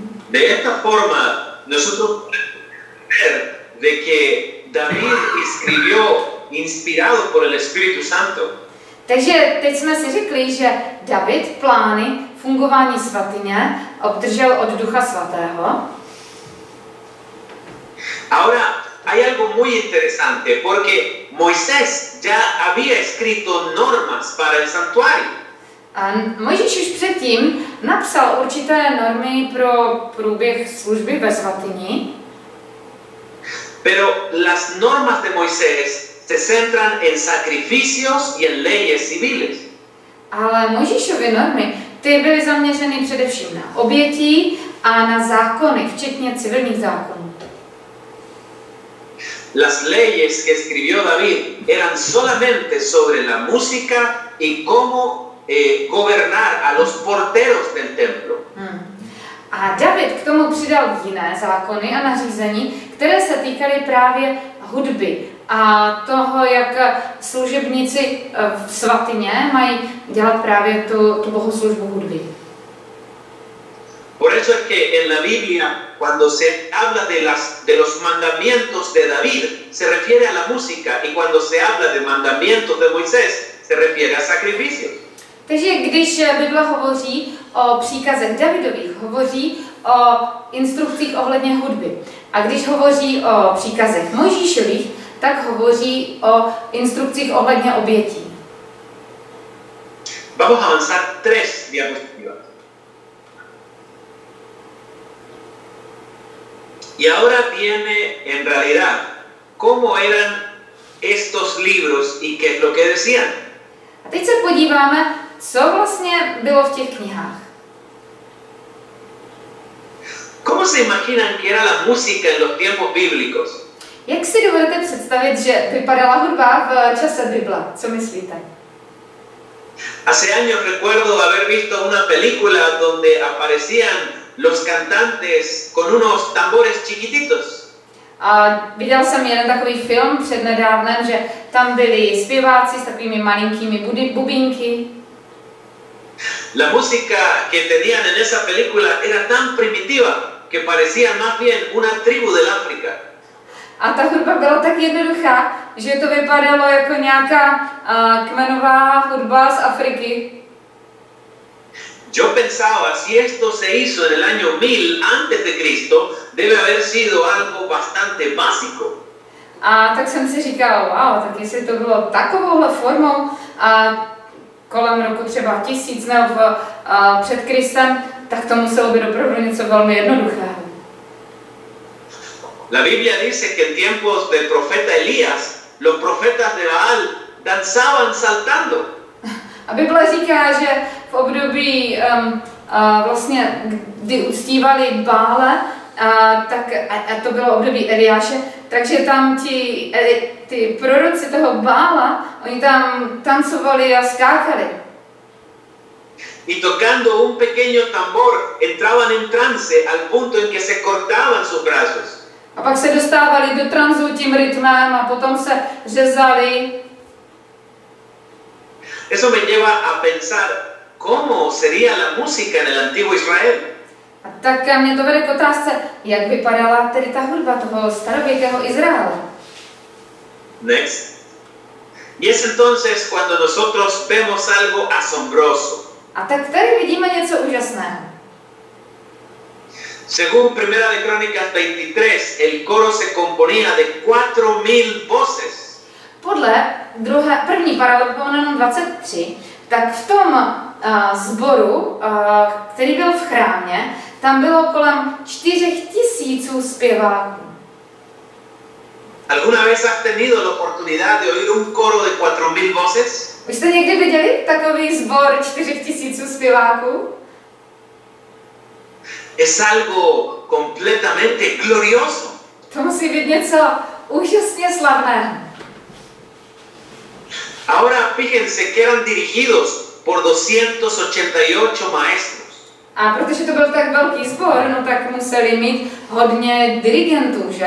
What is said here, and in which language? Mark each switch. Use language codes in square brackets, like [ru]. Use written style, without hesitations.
[es] De esta forma nosotros podemos ver de que David escribió inspirado por el Espíritu Santo. [cs] Takže teď jsme si řekli, že David plány fungování svatyně obdržel od Ducha Svatého. [es] Ahora hay algo muy interesante porque Moisés ya había escrito normas para el santuario. [cs] A Mojžíš už předtím napsal určité normy pro průběh služby ve svatyni. [es] Pero las normas de Moisés se centran en sacrificios y en leyes civiles. [cs] Ale Mojžíšovy normy, ty byly zaměřeny především na oběti a na zákony, včetně civilních zákonů. [es] Las leyes que escribió David eran solamente sobre la música y cómo gobernar a los porteros del templo. [cs] A David k tomu přidal jiné zákony a nařízení, které se týkaly právě hudby a toho, jak služebníci v svatyně mají dělat právě tu bohoslužbu hudby. [es] Por eso es que en la Biblia cuando se habla de los mandamientos de David se refiere a la música y cuando se habla de mandamientos de Moisés se refiere a sacrificios. [cs] Takže když Bible hovoří o příkazech Davidových, hovoří o instrukcích ohledně hudby. A když hovoří o příkazech Mojžíšových, tak hovoří o instrukcích ohledně obětí. [es] Vamos a avanzar tres diapositivas. Y ahora viene en realidad cómo eran estos libros y qué es lo que decían. [cs] A teď se podíváme, co vlastně bylo v těch knihách. [es] ¿Cómo ¿Cómo se imaginan que era la música en los tiempos bíblicos? [cs] Jak si dovedete představit, že vypadala hudba v čase Bible? Co myslíte? [es] Hace años recuerdo haber visto una película donde aparecían los cantantes con unos tambores chiquititos. [cs] A viděl jsem jeden takový film přednedávnem, že tam byli zpěváci s takovými malinkými bubínky. [es] La música que tenían en esa película era tan primitiva que parecía más bien una tribu del África. [cs] A ta hudba byla tak jednoduchá, že to vypadalo jako nějaká kmenová hudba z Afriky. [es] Yo pensaba, si esto se hizo en el año 1000 antes de Cristo, debe haber sido algo bastante básico. [cs] A tak jsem si říkal, wow, tak jestli to bylo takovouhle formou a kolem roku třeba 1000 nebo před Kristem, tak to muselo být opravdu něco velmi jednoduchého. [es] La Biblia dice que en tiempos del profeta Elías, los profetas de Baal danzaban saltando. [cs] A Biblia říká, že v období, vlastně, kdy uctívali Bále, a to bylo období Eliáše, takže tam ti proroci toho Bála, oni tam tancovali a skákali. [es] Y tocando un pequeño tambor, entraban en trance al punto en que se cortaban sus brazos. [cs] A pak se dostávali do tranzu tím rytmem a potom se řezali. [es] Eso me lleva a pensar cómo sería la música en el antiguo Israel. [cs] A tak a mě to vede k otázce, jak vypadala tedy ta hudba toho starověkého Izraela. [en] Next. [es] Y es entonces cuando nosotros vemos algo asombroso. [cs] A tak tady vidíme něco úžasného. [es] Según Primera de Crónicas 23, el coro se componía de 4000 voces. [cs] Podle druhé, první paralelepípedon 23, tak v tom sboru, který byl v chrámě, tam bylo kolem 4000 zpěváků. [es] ¿Alguna vez has tenido la oportunidad de oír un coro de 4000 voces? [cs] Vy jste někdy viděli takový sbor 4000 zpěváků? [es] Es algo completamente glorioso. [cs] To musí být něco úžasně slavné. [es] Ahora fíjense que eran dirigidos por 288 maestros. [cs] A protože to byl tak velký sbor, no tak museli mít hodně dirigentů, že?